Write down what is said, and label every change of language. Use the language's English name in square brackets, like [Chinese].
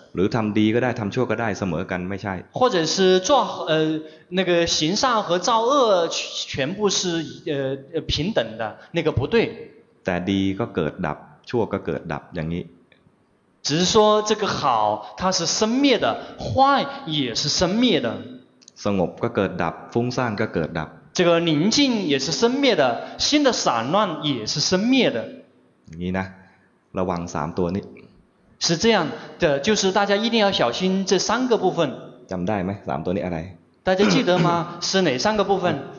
[Thai] หรือทำดีก็ได้ทำชั่วก็ได้เสมอกันไม่ใช่ [Chinese] 或者是做那个行善和造恶全部是平等的那个不对 [Thai] แต่ดีก็เกิดดับชั่วก็เกิดดับอย่างนี้ [Chinese] 只是说这个好它是生灭的坏也是生灭的 [Thai] สงบก็เกิดดับฟุ้งซ่านก็เกิดดับ [Chinese] 这个宁静也是生灭的心的散乱也是生灭的 [Thai] นี่นะระวัง3ตัวนี้ [Chinese] 是这样的就是大家一定要小心这三个部分 [Thai] จำได้ไหม3ตัวนี้อะไร [Chinese] 大家记得吗是哪三个部分